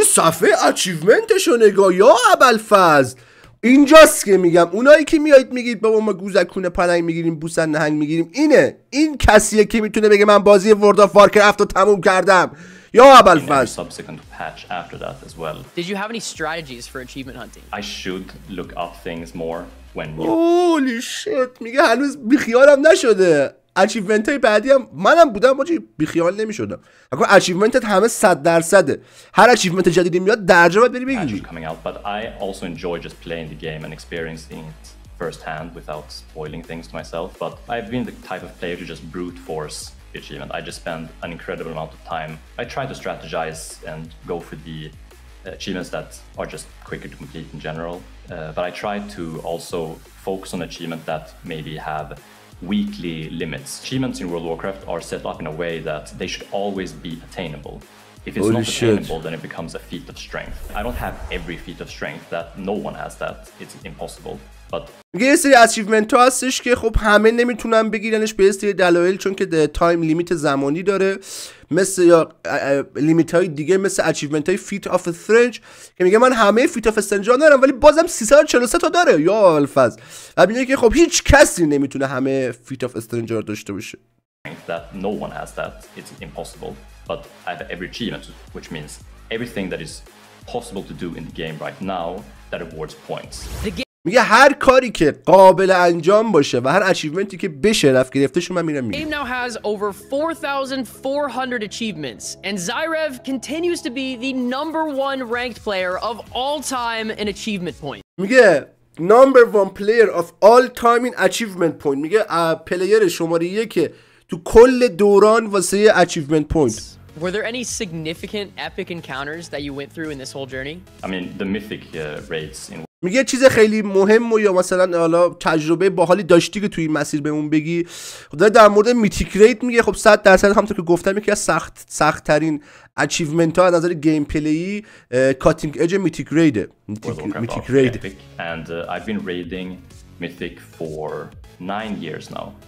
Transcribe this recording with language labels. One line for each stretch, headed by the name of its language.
Persian: صفحه اچیومنتشو نگاه یا ابوالفضل. اینجاست که میگم اونایی که میایید میگید بابا ما گوزکونه پلنگ میگیریم بوسن نهنگ میگیریم اینه، این کسیه که میتونه بگه من بازی ورد آف وارکرافت رو تموم کردم یا ابوالفضل.
English: Subsequent patch after that as well. Did you have any strategies for achievement hunting? I should look up things more when holy shit.
Persian: میگه هنوز بیخیالم نشده اچیومنت های بعدی هم منم بودم باجی بیخیال نمیشدم. اگر اچیومنتت همه 100% هر اچیومنت جدیدی میاد درجه باید بری بگیری.
English: But I also enjoy just playing the game and experiencing it first hand without spoiling things to myself. But I've been the type of player to just brute force the achievement. I just spend an incredible amount of time. I try to strategize and go for the achievements that are just quicker to complete in general. But I try to also focus on achievements that maybe have weekly limits. Achievements in World of Warcraft are set up in a way that they should always be attainable. If it's holy not shit. Attainable, then it becomes a feat of strength. I don't have every feat of strength. That no one has that. It's impossible. But
Persian: یه سری اچیومنت ها هستش که خب همه نمیتونن بگیرنش به سری دلایل، چون که تایم لیمیت زمانی داره، مثل یا لیمیت های دیگه مثل اچیومنت های فیت آف استرنج که میگه من همه فیت آف استرنج ها دارم ولی بازم 343 تا داره یا الفاظ، و میگه که خب هیچ کسی نمیتونه همه فیت آف استرنج ها داشته باشه.
English: That no one has that, it's impossible. But I have every achievement, which means everything that is possible to do in the game right now that awards points.
Persian: میگه هر کاری که قابل انجام باشه و هر اچیومنتی که بشه رفت گرفته شو من میرم.
English: Game now has over 4400 achievements and Zyrev continues to be the number one ranked player of all time in achievement point.
Persian: میگه
English: number one player of all time in achievement point.
Persian: میگه پلیر شماره یک تو کل دوران واسه achievement point.
English: Were there any significant epic encounters that you went through in this whole journey? I mean the mythic raids in.
Persian: میگه چیز خیلی مهم و یا مثلا حالا تجربه باحالی داشتی که توی این مسیر بهمون بگی. خب داره در مورد میتیک ریت میگه. خب 100% همونطور که گفتم یکی از سخت ترین اچیومنت ها از نظر گیم پلی کاتینگ اج میتیک رید.
English: Mythic raid and I've been raiding mythic for 9 years now.